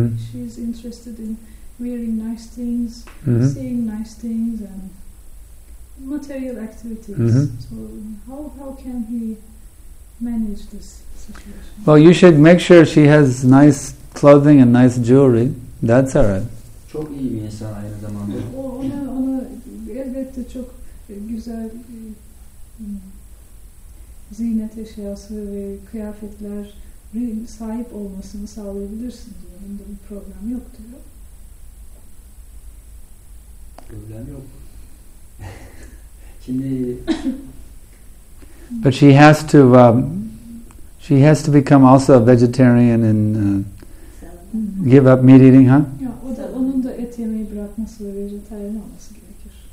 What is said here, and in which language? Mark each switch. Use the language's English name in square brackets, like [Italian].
[English] She's interested in wearing nice things, seeing nice things and material activities. So how can he manage this situation? Well, you should make sure she has nice clothing and nice jewelry. That's all right. [Turkish] Çok iyi bir insan aynı zamanda. Ona elbette çok güzel ziynet eşyası ve kıyafetler sahip olmasını sağlayabilirsin diyor. Bunda bir problem yok diyor. Problem yok. [English] But she has to become also a vegetarian and give up meat eating, huh? [Turkish] Yeah, onun da et yemeyi bırakması ve vejetaryen olması gerekir.